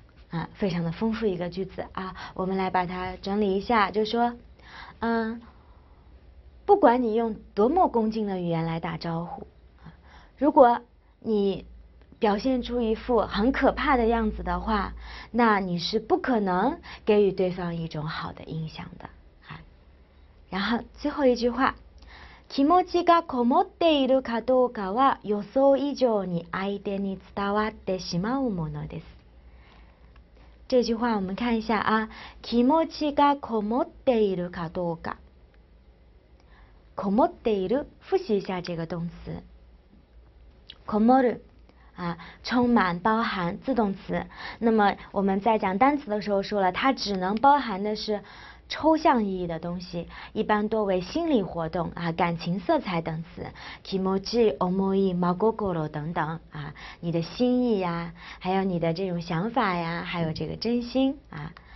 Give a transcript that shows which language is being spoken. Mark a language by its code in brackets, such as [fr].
[zh] 啊，非常的丰富一个句子啊，我们来把它整理一下，就说，不管你用多么恭敬的语言来打招呼，如果你表现出一副很可怕的样子的话，那你是不可能给予对方一种好的印象的啊。然后最后一句话， [ja] 気持ちがこもっているかどうかは予想以上に相手に伝わってしまうものです。 [zh] 这句话我们看一下啊， [ja] 気持ちがこもっているかどうか。 [zh] こもっている，复习一下这个动词。こもる啊，充满、包含，自动词。那么我们在讲单词的时候说了，它只能包含的是抽象意义的东西，一般多为心理活动啊、感情色彩等词，気持ち、思い、真心等等啊，你的心意呀，还有你的这种想法呀，还有这个真心啊。